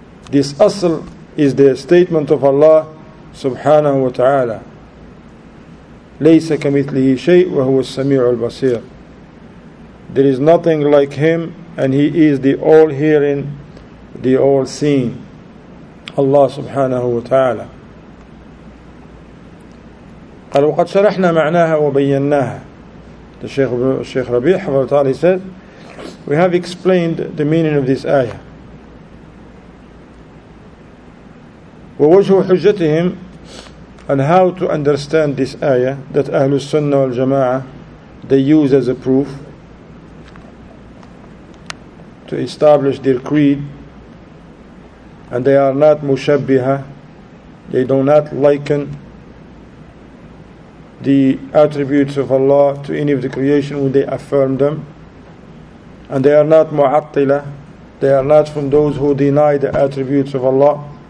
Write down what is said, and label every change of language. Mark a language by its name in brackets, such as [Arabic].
[English] This asl is the statement of Allah subhanahu wa ta'ala, [Arabic] لَيْسَ كَمِثْلِهِ شَيْءٌ وَهُوَ السَّمِيعُ الْبَصِيرُ. [English] There is nothing like Him, and He is the all-hearing, the all-seeing, Allah subhanahu wa ta'ala. [Arabic] قال وقد شرحنا معناها وبيناها. [English] The Sheikh Rabi, he said, we have explained the meaning of this ayah. [Arabic] ووجه حجتهم, [English] and how to understand this ayah that Ahlul Sunnah wal Jama'ah they use as a proof to establish their creed, and they are not mushabbiha, they do not liken the attributes of Allah to any of the creation when they affirm them, and they are not mu'attila, they are not from those who deny the attributes of Allah.